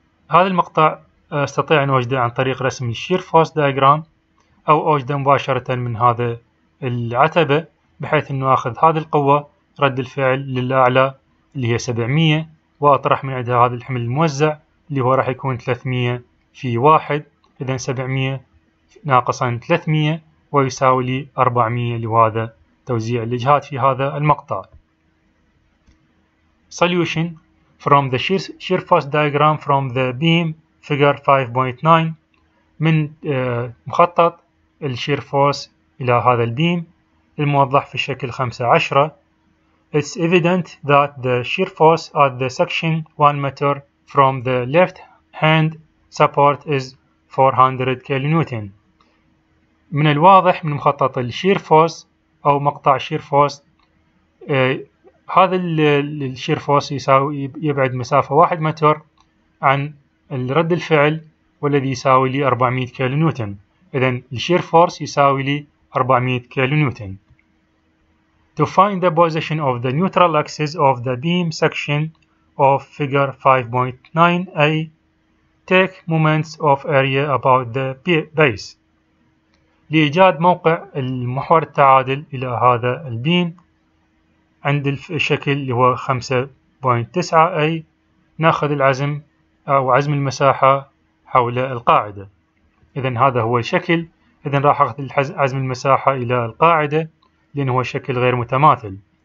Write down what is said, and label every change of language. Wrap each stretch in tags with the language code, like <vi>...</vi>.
<ar>هذا المقطع أستطيع أن أوجده عن طريق رسم الشير فورس دايجرام, أو أوجده مباشرة من هذا العتبة بحيث أنه أخذ هذه القوة رد الفعل للأعلى اللي هي 700, وأطرح من عندها هذا الحمل الموزع اللي هو راح يكون 300 في 1, إذن 700 ناقصا 300 ويساوي لي 400 لهذا توزيع الإجهاد في هذا المقطع.</ar> <en>Solution from the shear force diagram from the beam figure 5.9,</en> <ar>من مخطط الشير فورس إلى هذا البيم الموضح في الشكل 5.10.</ar> <en>It's evident that the shear force at the section 1 meter from the left hand support is 400 kN.</en> <ar>من الواضح من مخطط الشير فورس أو مقطع شير فورس, هذا الشير فورس يساوي يبعد مسافة 1 متر عن الرد الفعل والذي يساوي لي 400 kN. إذن الشير فورس يساوي لي 400 kN.</ar> <en>To find the position of the neutral axis of the beam section of figure 5.9a, take moments of area about the base.</en> <ar>لإيجاد موقع المحور التعادل إلى هذا البيم عند الشكل اللي هو 5.9a, نأخذ العزم أو عزم المساحة حول القاعدة. إذن هذا هو الشكل. إذن راح أخذ عزم المساحة إلى القاعدة لأنه هو شكل غير متماثل.</ar>